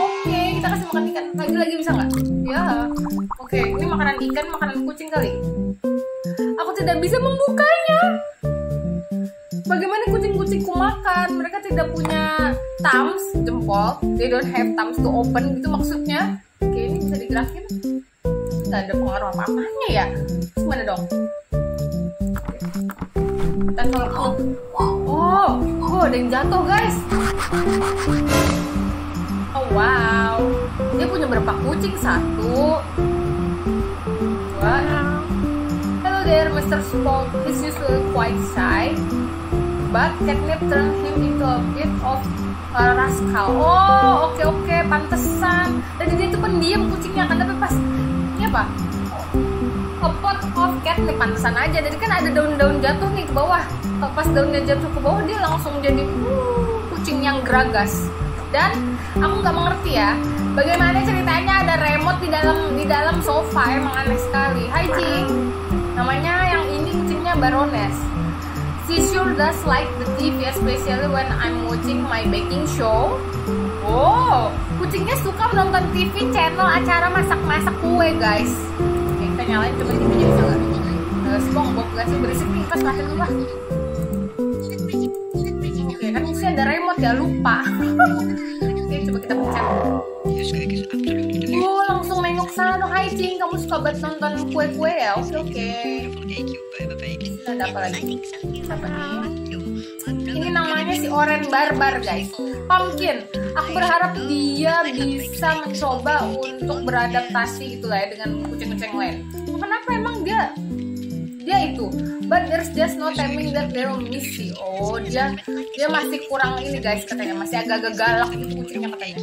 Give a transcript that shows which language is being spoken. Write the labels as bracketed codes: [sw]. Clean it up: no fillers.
[id] Oke, kita kasih makan ikan. Lagi-lagi bisa nggak? Ya. Oke, ini makanan ikan, makanan kucing kali. Aku tidak bisa membukanya. Bagaimana kucing-kucingku makan? Mereka tidak punya thumbs, jempol. [en] They don't have thumbs to open, [id] gitu maksudnya. Oke, ini bisa digerakin. Tidak ada pengaruh apa-apanya ya. Terus mana dong? Ada yang jatuh, guys. Oh, wow. Dia punya berapa kucing? 1, 2. [en] Hello there, Mr. Spock. He's usually quite shy, but catnip turned him into a bit of a rascal. [id] Oh, okay. Pantesan. Tadi dia itu pendiam kucingnya, kan? Tapi pas ini apa? [en] A pot of catnip, [id] pantesan aja. Jadi kan ada daun-daun jatuh nih ke bawah. Pas daunnya jatuh ke bawah, dia langsung jadi kucing yang geragas. Dan aku gak mengerti ya, bagaimana ceritanya ada remote di dalam sofa. Emang aneh sekali. Hai Ci, namanya yang ini kucingnya Baroness. [en] She sure does like the TV, especially when I'm watching my baking show. [id] Oh, kucingnya suka menonton TV channel acara masak-masak kue, guys. Nyalain, coba ini punya bisa gak? Sebong, bok, gak sih, berisik nih, pas lahir dulu lah. Oke, kan mesti ada remote ya, lupa. Oke, coba kita pencet. Oh, langsung menyuk sana. Hai, Cing, kamu suka banget nonton kue-kue ya? Oke. Nah, ada apa lagi? Siapa nih? Ini namanya si Oren Barbar, guys. Pumpkin. Aku berharap dia bisa mencoba untuk beradaptasi gitulah ya dengan kucing-kucing lain. Kenapa emang dia itu? [en] But there's just no timing that they're missing. [id] Oh, dia masih kurang ini guys katanya, masih agak-agak galak gitu kucingnya katanya.